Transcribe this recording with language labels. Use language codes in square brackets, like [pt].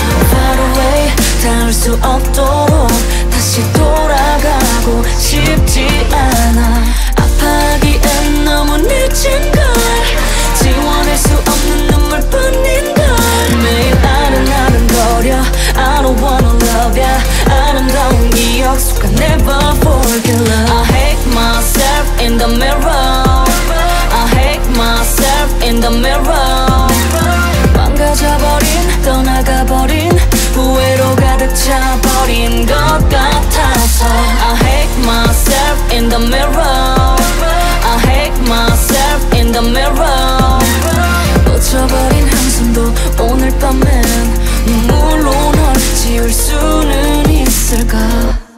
[en] Far away [ko] 닿을 수 없도록 다시 돌아가고 싶지 않아. 아파하기엔 너무 늦은 걸. 지워낼 수 없는 눈물뿐인 걸. 매일 아른아른거려. [en] I don't wanna love ya. [ko] 아름다운 기억 속아 [en] never forget love. I hate myself in the mirror. I hate myself in the mirror. [ko] 망가져버린 떠나가버린 후회로 가득 차버린 것 같아서. [en] I hate myself in the mirror. I hate myself in the mirror. [ko] 놓쳐버린 한숨도 오늘 밤엔 눈물로 널 지울 수는 있을까.